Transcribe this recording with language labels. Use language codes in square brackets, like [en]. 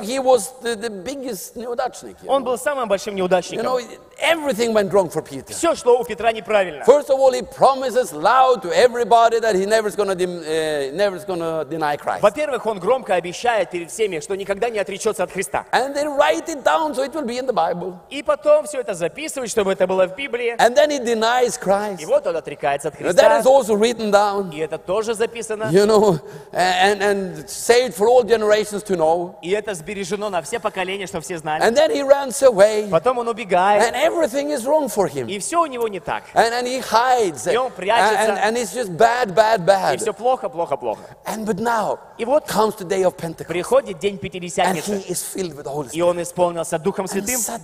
[en] He was the biggest неудачник. [ru] Он был самым большим неудачником. [en] You know, everything went wrong for Peter. [ru] Все шло у Петра неправильно. [en] First of all, he promises loud to everybody that he never is gonna deny Christ. [ru] Во-первых, он громко обещал перед всеми, что никогда не отречется от Христа. [en] And they write it down, so it will be in the Bible. [ru] И потом все это записывают, чтобы это было в Библии. [en] And then he denies Christ. [ru] И вот он отрекается от Христа. [en] That is also written down. [ru] И это тоже записано. [en] You know, and saved for all generations to know. [ru] И это сбережено на все поколения, чтобы все знали. [en] And then he runs away. [ru] Потом он убегает. [en] And everything is wrong for him. [ru] И все у него не так. [en] And he hides. [ru] И он прячется. [en] And it's just bad, bad, bad. [ru] И все плохо, плохо, плохо. [en] And but now. [ru] И вот [en] comes the day of Pentecost. [ru] Приходит день Пятидесятницы. И он исполнился Духом Святым.